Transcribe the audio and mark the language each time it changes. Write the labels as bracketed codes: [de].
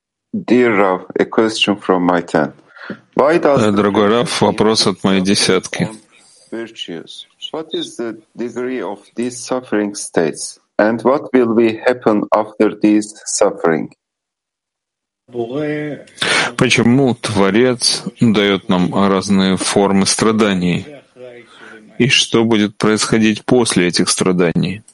[en] Dear Rav, a question from my ten. Why does the... [ru] Дорогой Рав, вопрос от моей десятки. [en] Virtues. What is the degree of these suffering states? And what will be happen after these suffering? [ru] Почему Творец дает нам разные формы страданий? И что будет происходить после этих страданий?